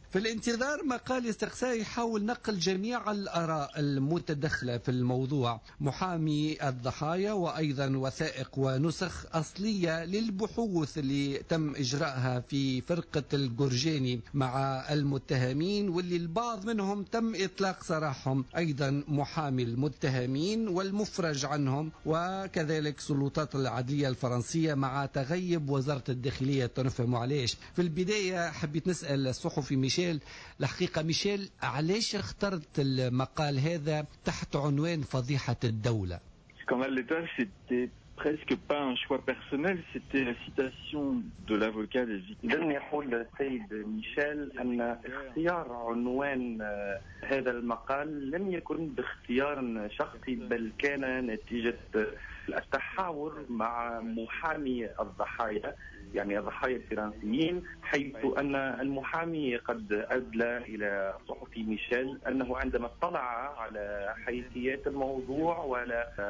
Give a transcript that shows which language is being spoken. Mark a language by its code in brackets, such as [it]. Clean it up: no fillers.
[ar] في الانتظار مقال استقصائي حول نقل جميع الآراء المتدخلة في الموضوع، محامي الضحايا وأيضا وثائق ونسخ أصلية للبحوث اللي تم إجراءها في فرقة الجورجاني مع المتهمين، واللي البعض منهم تم إطلاق سراحهم، أيضا محامي المتهمين والمفرج عنهم، وكذلك سلطات العدلية الفرنسية مع تغيب وزارة الداخلية تنفهم عليش. في البداية حبيت نسأل الصحفي ميشيل الحقيقة، ميشيل علاش اخترت المقال هذا تحت عنوان فضيحة الدولة؟ [fr] Quand la lettre, c'était presque pas un choix personnel, c'était la citation de l'avocat des victimes. [ar] دعني أقول للسيد ميشيل أن اختيار عنوان هذا المقال لم يكن باختيار شخصي، بل كان نتيجة التحاور مع محامي الضحايا، يعني الضحايا الفرنسيين، حيث أن المحامي قد أدلى إلى صحفي ميشيل أنه عندما اطلع على حيثيات الموضوع وعلى